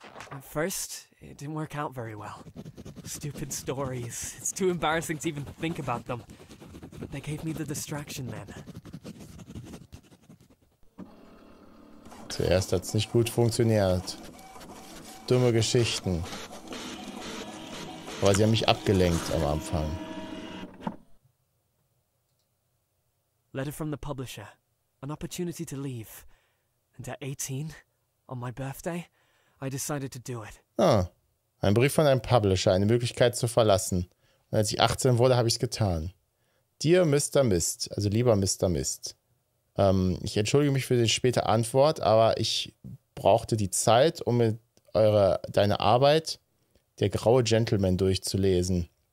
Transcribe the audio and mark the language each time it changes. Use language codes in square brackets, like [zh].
[en] At first, it didn't work out very well. Stupid stories. It's too embarrassing to even think about them. But they gave me the distraction then. [de] Zuerst hat's nicht gut funktioniert. Dumme Geschichten. Aber sie haben mich abgelenkt am Anfang. [en] Letter from the publisher. An opportunity to leave. And at 18, on my birthday, I decided to do it. [de] Ah, ein Brief von einem Publisher, eine Möglichkeit zu verlassen. Und als ich 18 wurde, habe ich's getan. [en] Dear Mr. Mist, [de] also lieber Mr. Mist. Ich entschuldige mich für die späte Antwort, aber ich brauchte die Zeit, um mit deine Arbeit, der graue Gentleman, durchzulesen.